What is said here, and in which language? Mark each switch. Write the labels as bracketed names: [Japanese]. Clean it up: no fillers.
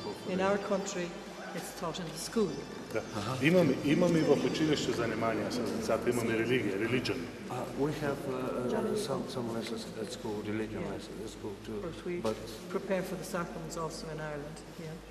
[English] In our country, it's taught in the school. [Bulgarian] Имаме в училище занимания с децата, имаме религия, religion. [English] We have some lessons at school, religion lessons at school too. But we prepare for the sacraments also in Ireland, yeah.